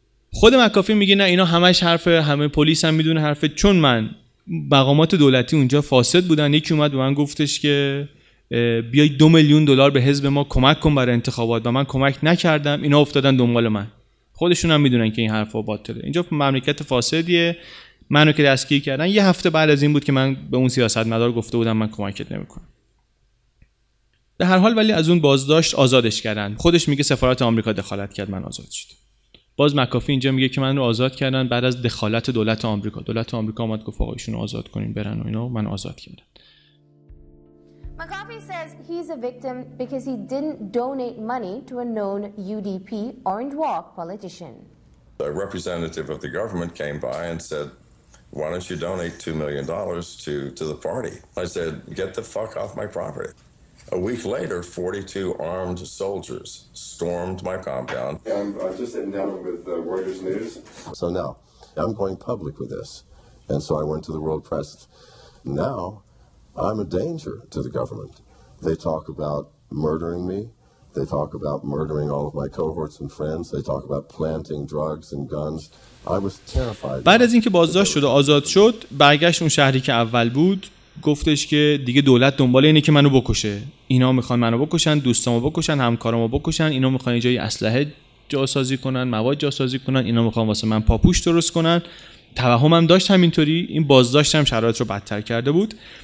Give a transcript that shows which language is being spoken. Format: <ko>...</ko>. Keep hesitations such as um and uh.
<fa>خود مکافی میگه نه اینا همش حرف همه پلیس هم میدونه حرف، چون من مقامات دولتی اونجا فاسد بودن یکی اومد به من گفتش که بیای دو میلیون دلار به حزب ما کمک کن برای انتخابات و من کمک نکردم اینا افتادن دنبال من خودشون هم میدونن که این حرفا باطله اینجا با مملکت فاسدیه منو که دستگیر کردن یه هفته بعد از این بود که من به اون سیاستمدار گفته بودم من کمکت نمیکنم در هر حال ولی از اون بازداشت آزادش کردن خودش میگه سفارت آمریکا دخالت کرد من آزاد شدم باز مکافی اینجا میگه که من رو آزاد کردن بعد از دخالت دولت آمریکا دولت آمریکا اومد گفت آقایشون رو آزاد کنین برن و اینا و من آزاد کردن</fa> <en>McAfee says he's a victim because he didn't donate money to a known UDP orange walk politician A representative of the government came by and said why don't you donate $2 million dollars to, to the party I said get the fuck off my property A week later, 42 armed soldiers stormed my compound. Yeah, I'm, I'm, just sitting down with uh, Reuters News. So now, I'm going public with this. And so I went to the world press. Now, I'm a danger to the government. They talk about murdering me. They talk about murdering all of my cohorts and friends. They talk about planting drugs and guns. I was terrified.</en> <fa>بعد</fa> <en>about...</en> <fa>از اینکه بازداشت شد و آزاد شد، برگشت اون شهری که اول بود، گفتش که دیگه دولت دنبال اینه که منو بکشه اینا میخوان منو بکشن دوستامو بکشن همکارامو بکشن اینا میخوان جای اسلحه جاسازی کنن مواد جاسازی کنن اینا میخوان واسه من پاپوش درست کنن توهمم داشت هم داشت همینطوری این بازداشتم هم شرایط رو بدتر کرده بود</fa>